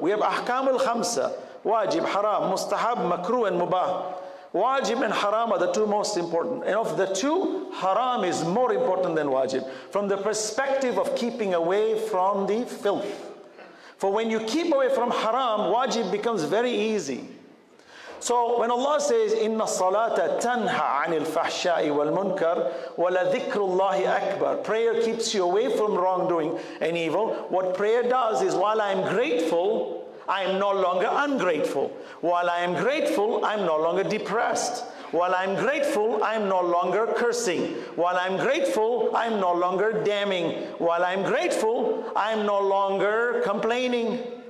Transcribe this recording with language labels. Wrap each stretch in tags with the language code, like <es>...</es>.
<en>We have ahkam al-khamsa, wajib, haram, mustahab, makruh, and mubah. Wajib and haram are the two most important. And of the two, haram is more important than wajib. From the perspective of keeping away from the filth. For when you keep away from haram, wajib becomes very easy. So when Allah says,</en> <ar>إِنَّ الصَّلَاةَ تَنْهَى عَنِ الْفَحْشَاءِ وَالْمُنْكَرِ وَلَذِكْرُ اللَّهِ أَكْبَرُ.</ar> <en>Prayer keeps you away from wrongdoing and evil. What prayer does is while I am grateful, I am no longer ungrateful. While I am grateful, I am no longer depressed. While I am grateful, I am no longer cursing. While I am grateful, I am no longer damning. While I am grateful, I am no longer complaining.</en>